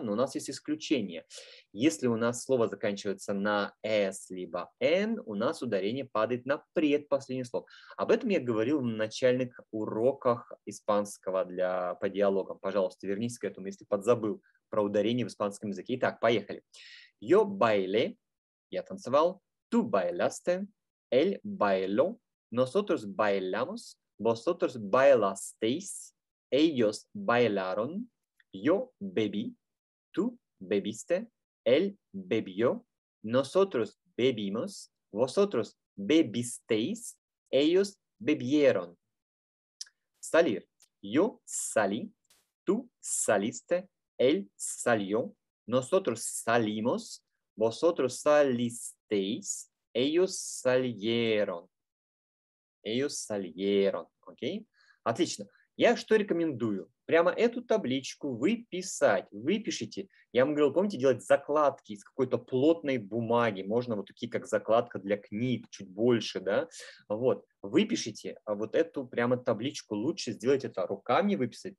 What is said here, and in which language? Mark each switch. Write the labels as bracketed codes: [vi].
[ru] Но у нас есть исключение. Если у нас слово заканчивается на s либо n, у нас ударение падает на предпоследний слог. Об этом я говорил в начальных уроках испанского для, по диалогам. Пожалуйста, вернись к этому, если подзабыл про ударение в испанском языке. Итак, поехали. [es] Yo baile, [ru] я танцевал. [es] Tú bailaste, él bailó. Nosotros bailamos, vosotros bailasteis, ellos bailaron, yo bebí, tú bebiste, él bebió, nosotros bebimos, vosotros bebisteis, ellos bebieron. Salir. Yo salí, tú saliste, él salió, nosotros salimos, vosotros salisteis, ellos salieron. Ellos salieron. [ru] Окей? Отлично. Я что рекомендую? Прямо эту табличку выписать. Выпишите. Я вам говорил, помните, делать закладки из какой-то плотной бумаги. Можно вот такие, как закладка для книг, чуть больше, да? Вот. Выпишите вот эту прямо табличку. Лучше сделать это руками, выписать.